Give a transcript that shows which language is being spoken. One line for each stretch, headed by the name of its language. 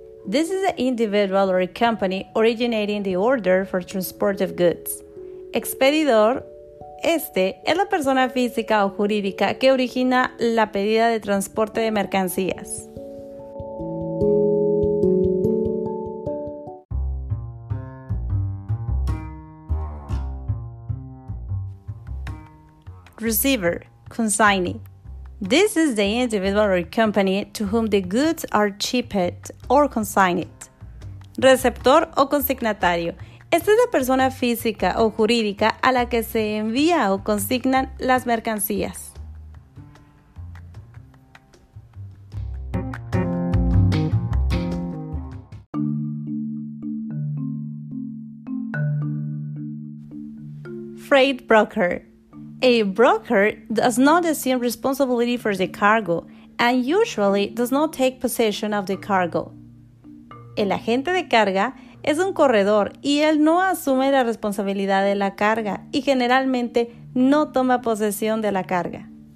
English: This is an individual or a company originating the order for transport of goods.
Spanish: Expedidor. Este es la persona física o jurídica que origina la pedida de transporte de mercancías.
English: Receiver, consignee. This is the individual or company to whom the goods are shipped or consigned.
Spanish: Receptor o consignatario. Esta es la persona física o jurídica a la que se envía o consignan las mercancías.
English: Freight broker. A broker does not assume responsibility for the cargo and usually does not take possession of the cargo.
Spanish: El agente de carga es un corredor y él no asume la responsabilidad de la carga y generalmente no toma posesión de la carga.